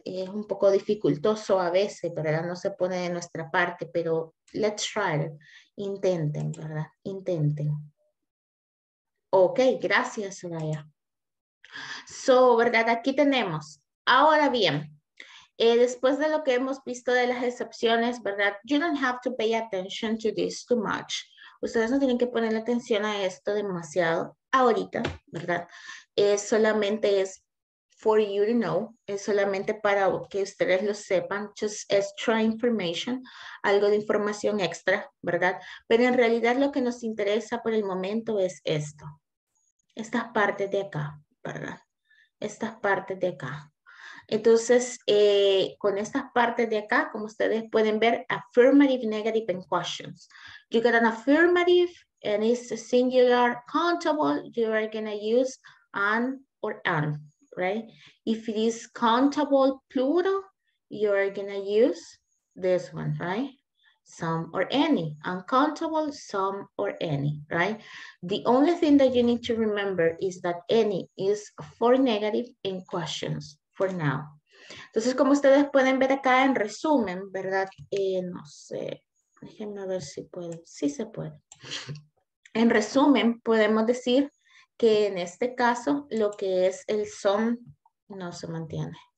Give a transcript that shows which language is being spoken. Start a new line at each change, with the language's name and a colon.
Spanish: Es un poco dificultoso a veces, ¿verdad? No se pone de nuestra parte, pero
English: let's try,
Spanish: intenten, ¿verdad? Intenten. Ok, gracias, Soraya. So, ¿verdad? Aquí tenemos. Ahora bien, después de lo que hemos visto de las excepciones, ¿verdad?
English: You don't have to pay attention to this too much.
Spanish: Ustedes no tienen que ponerle atención a esto demasiado ahorita, ¿verdad? Solamente es
English: for you to know.
Spanish: Es solamente para que ustedes lo sepan.
English: Just extra information.
Spanish: Algo de información extra, ¿verdad? Pero en realidad lo que nos interesa por el momento es esto. Estas partes de acá, ¿verdad? Estas partes de acá. Entonces, con estas partes de acá, como ustedes pueden ver,
English: affirmative, negative, and questions. You get an affirmative, and it's a singular countable, you are going to use an or an, right? If it is countable, plural, you are going to use this one, right? Some or any, uncountable, some or any, right? The only thing that you need to remember is that any is for negative and questions. For now.
Spanish: Entonces, como ustedes pueden ver acá en resumen, ¿verdad? No sé, déjenme ver si puedo, sí se puede. En resumen, podemos decir que en este caso, lo que es el some, no se mantiene.